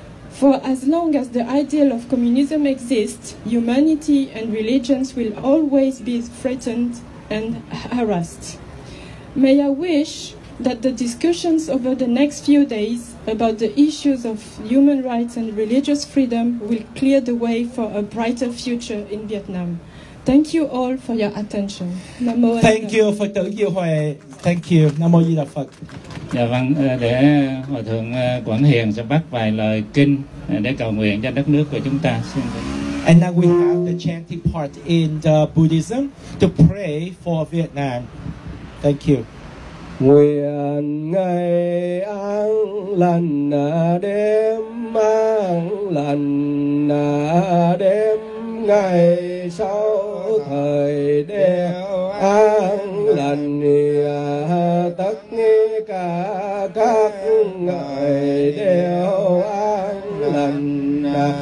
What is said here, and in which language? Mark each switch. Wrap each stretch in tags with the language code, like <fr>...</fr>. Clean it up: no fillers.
<en>For as long as the ideal of communism exists, humanity and religions will always be threatened and harassed. May I wish that the discussions over the next few days about the issues of human rights and religious freedom will clear the way for a brighter future in Vietnam. Thank you all for your attention. Namo</en> <vi>Di Đà.</vi> <en>Thank you, Phật tử Diệu Huệ. Thank you. Namo Di Đà Phật.</en> <vi>Dạ vâng, để Hòa Thượng Quảng Hiền sẽ bắt vài lời kinh để cầu nguyện cho đất nước của chúng ta. Xin</vi> <en>And now we have the chanting part in the Buddhism to pray for Vietnam. Thank you.</en> <vi>Nguyện ngày an lành đêm an lành đêm ngày sau thời đêm an lành tất cả các ngày đều an lành</vi>